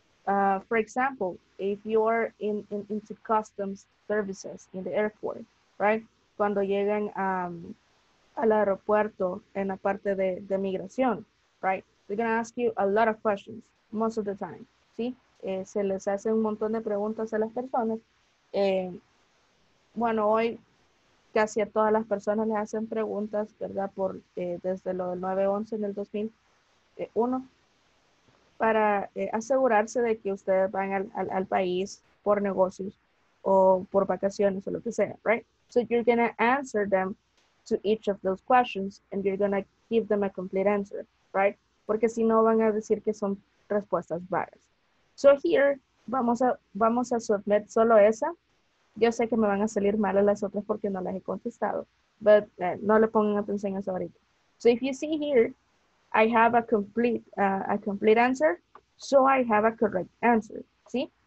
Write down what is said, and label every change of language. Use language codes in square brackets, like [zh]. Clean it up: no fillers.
[en] For example, if you are into customs services in the airport, right? [es] Cuando llegan al aeropuerto en la parte de migración, right? [en] They're going to ask you a lot of questions most of the time, ¿sí? [es] Se les hace un montón de preguntas a las personas. Bueno, hoy casi a todas las personas le hacen preguntas, ¿verdad? Por desde lo del 9-11 en el 2001 para asegurarse de que ustedes van al país por negocios o por vacaciones o lo que sea, right? [en] So you're gonna answer them to each of those questions and you're gonna give them a complete answer, right? [es] Porque si no van a decir que son respuestas vagas. So here vamos a submit solo esa. Yo sé que me van a salir mal a las otras porque no las he contestado, but no le pongan atención a eso ahorita. [en] So if you see here, I have a complete answer, so I have a correct answer. ¿Sí?